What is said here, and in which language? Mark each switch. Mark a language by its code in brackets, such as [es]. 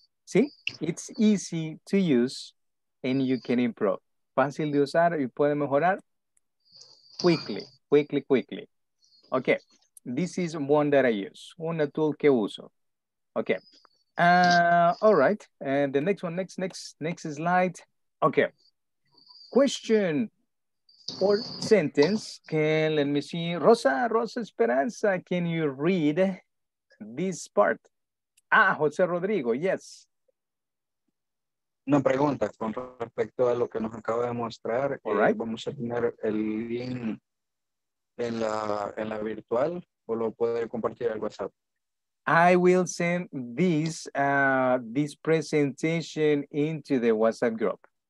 [en] See, it's easy to use and you can improve. [es] Fácil de usar y puede mejorar [en] quickly, quickly, quickly. Okay, this is one that I use. [es] Una tool que uso. [en] Okay. All right. And the next one, next slide. Okay. Question or sentence. Can let me see. Rosa Esperanza, can you read this part? Ah, Jose Rodrigo, yes. [es] Una pregunta con respecto a lo que nos acaba de mostrar. [en] All right. [es] Vamos a tener el link en la virtual o lo puede compartir al WhatsApp. [en] I will send this this presentation into the WhatsApp group.